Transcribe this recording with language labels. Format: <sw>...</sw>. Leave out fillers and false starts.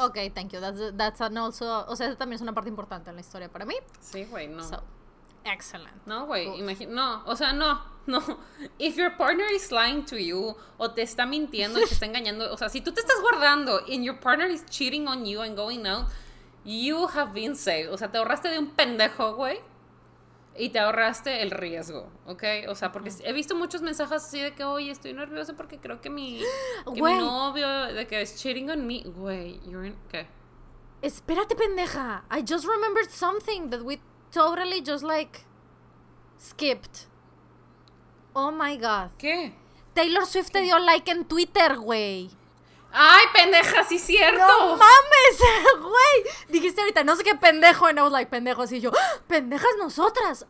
<en>Okay, thank you. That's an also,</en> <es>o sea, eso también es una parte importante en la historia para mí. Sí, güey, no.</es> <en>So, excellent.</en> <es>No, güey, imagina, no, o sea, no, no.</es> <en>If your partner is lying to you,</en> <es>o te está mintiendo, y te está engañando, o sea, si tú te estás guardando,</es> <en>and your partner is cheating on you and going out, you have been saved.</en> <es>O sea, te ahorraste de un pendejo, güey, y te ahorraste el riesgo, ¿ok? O sea, porque he visto muchos mensajes así de que, oye, estoy nerviosa porque creo que mi novio, de que es</es> <en>cheating on me. Güey, you're in... ¿Qué?</en> <es>Espérate, pendeja.</es> <en>I just remembered something that we totally just, like, skipped. Oh, my God.</en> <es>¿Qué? Taylor Swift te dio like en Twitter, güey. ¡Ay, pendeja, sí es cierto! ¡No mames, güey! Dijiste ahorita, no sé qué pendejo,</es> <en>and I was like,</en> <es>pendejos, y yo, ¡pendejas nosotras!</es>